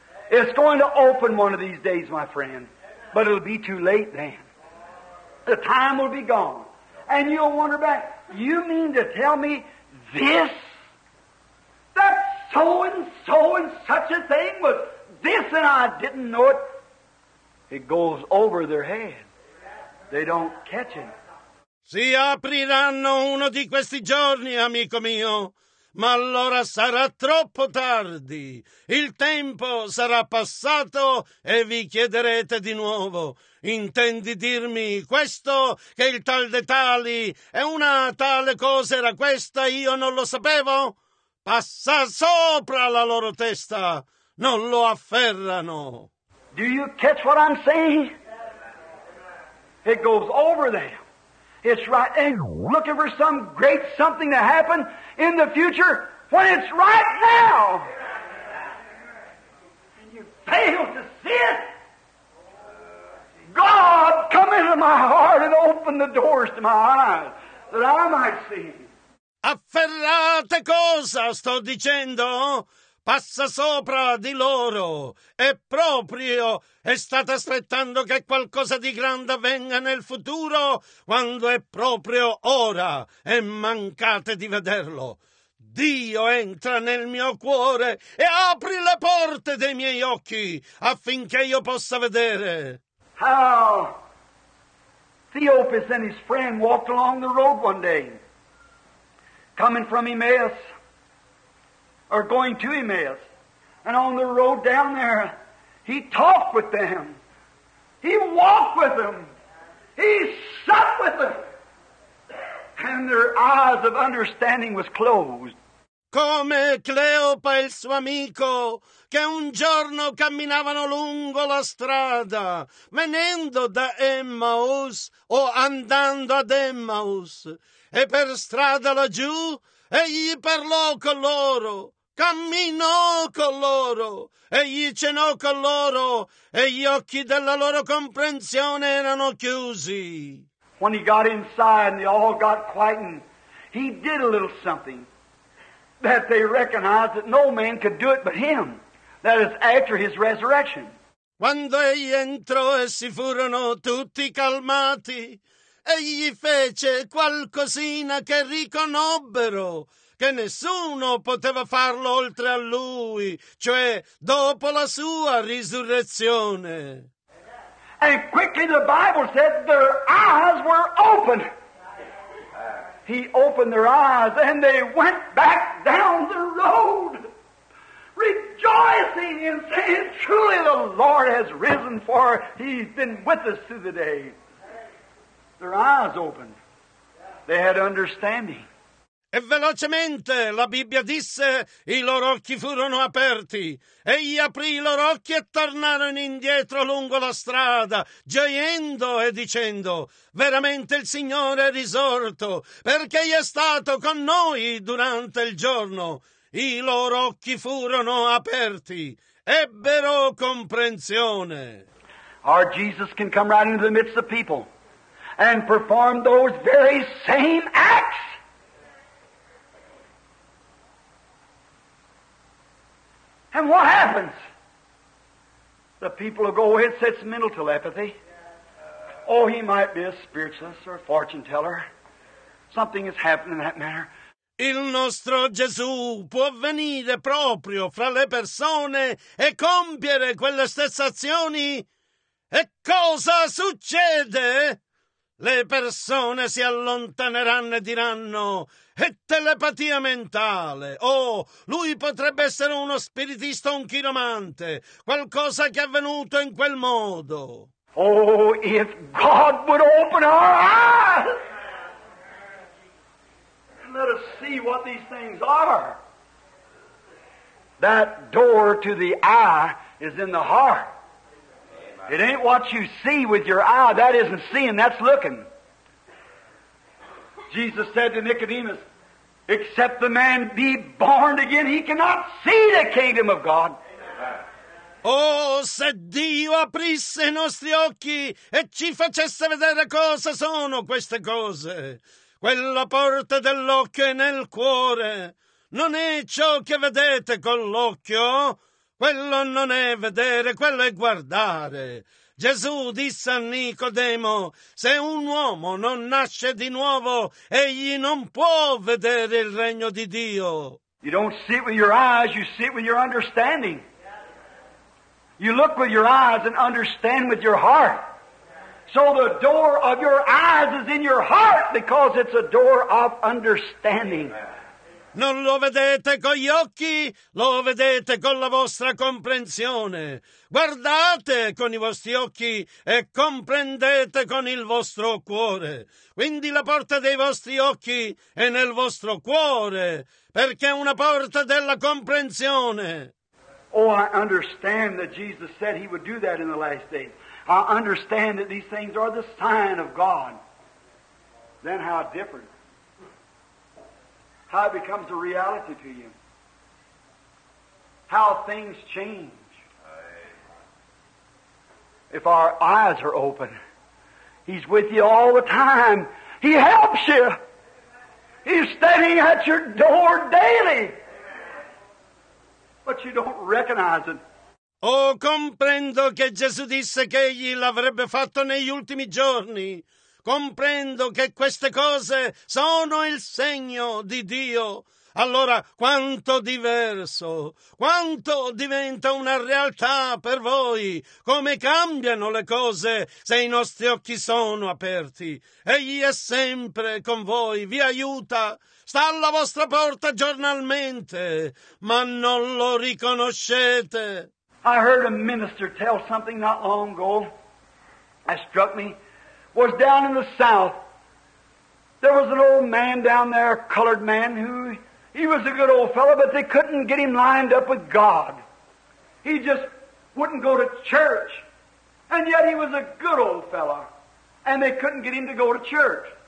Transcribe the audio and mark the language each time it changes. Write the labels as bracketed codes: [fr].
[en] It's going to open one of these days, my friend. But it'll be too late then. The time will be gone. And you'll wonder back, you mean to tell me this? That so and such a thing was this and I didn't know it. It goes over their head. They don't catch it. [it] Si apriranno uno di questi giorni, amico mio. Ma allora sarà troppo tardi, il tempo sarà passato e vi chiederete di nuovo, intendi dirmi questo, che il tal de tali e una tale cosa era questa, io non lo sapevo? Passa sopra la loro testa, non lo afferrano. [en] Do you catch what I'm saying? It goes over them. It's right, and looking for some great something to happen in the future when it's right now. And you fail to see it. God, come into my heart and open the doors to my eyes that I might see. [it] Afferrate cosa sto dicendo? Passa sopra di loro, e proprio è stata aspettando che qualcosa di grande avvenga nel futuro, quando è proprio ora e mancate di vederlo. Dio entra nel mio cuore e apri le porte dei miei occhi affinché io possa vedere. [en] How Theophilus and his friend walked along the road one day, coming from Emmaus. Or going to Emmaus, and on the road down there, he talked with them. He walked with them. He sat with them. And their eyes of understanding was closed. [it] Come Cleopa e il suo amico, che un giorno camminavano lungo la strada, venendo da Emmaus o andando ad Emmaus, e per strada laggiù, egli parlò con loro. Camminò con loro, e gli cenò con loro, e gli occhi della loro comprensione erano chiusi. [en] When he got inside and they all got quiet, he did a little something that they recognized that no man could do it but him. That is after his resurrection. [it] Quando egli entrò e si furono tutti calmati, egli fece qualcosina che riconobbero. Che nessuno poteva farlo oltre a lui, cioè dopo la sua risurrezione. [en] And quickly the Bible said their eyes were open. He opened their eyes and they went back down the road, rejoicing and saying, truly the Lord has risen, for he's been with us through the day. Their eyes opened. They had understanding. [it] E velocemente, la Bibbia disse, i loro occhi furono aperti. Egli aprì i loro occhi e tornarono indietro lungo la strada, gioendo e dicendo, veramente il Signore è risorto, perché egli è stato con noi durante il giorno. I loro occhi furono aperti, ebbero comprensione. [en] Our Jesus can come right into the midst of people and perform those very same acts. And what happens? The people will go away and say it's mental telepathy. Oh, he might be a spiritualist or a fortune teller. Something is happening in that manner. [it] Il nostro Gesù può venire proprio fra le persone e compiere quelle stesse azioni? E cosa succede? Le persone si allontaneranno e diranno: è telepatia mentale. Oh, lui potrebbe essere uno spiritista, un chiromante, qualcosa che è avvenuto in quel modo. [en] Oh, if God would open our eyes! Let us see what these things are. That door to the eye is in the heart. It ain't what you see with your eye. That isn't seeing, that's looking. Jesus said to Nicodemus, except the man be born again, he cannot see the kingdom of God. [it] Oh, se Dio aprisse i nostri occhi e ci facesse vedere cosa sono queste cose. Quella porta dell'occhio è nel cuore. Non è ciò che vedete con l'occhio. Quello non è vedere, quello è guardare. Gesù disse a Nicodemo: se un uomo non nasce di nuovo, egli non può vedere il regno di Dio. [en] You don't see it with your eyes, you see it with your understanding. You look with your eyes and understand with your heart. So the door of your eyes is in your heart because it's a door of understanding. [it] Non lo vedete con gli occhi, lo vedete con la vostra comprensione. Guardate con i vostri occhi e comprendete con il vostro cuore. Quindi la porta dei vostri occhi è nel vostro cuore, perché è una porta della comprensione. [en] Oh, I understand that Jesus said he would do that in the last days. I understand that these things are the sign of God. Then how different. How it becomes a reality to you. How things change. If our eyes are open, he's with you all the time. He helps you. He's standing at your door daily. But you don't recognize it. [it] Oh, comprendo che Gesù disse che egli l'avrebbe fatto negli ultimi giorni. Comprendo che queste cose sono il segno di Dio. Allora, quanto diverso, quanto diventa una realtà per voi, come cambiano le cose se i nostri occhi sono aperti. Egli è sempre con voi, vi aiuta, sta alla vostra porta giornalmente, ma non lo riconoscete. [en] I heard a minister tell something not long ago that struck me. Was down in the south. There was an old man down there, a colored man, who he was a good old fellow, but they couldn't get him lined up with God. He just wouldn't go to church. And yet he was a good old fellow, and they couldn't get him to go to church.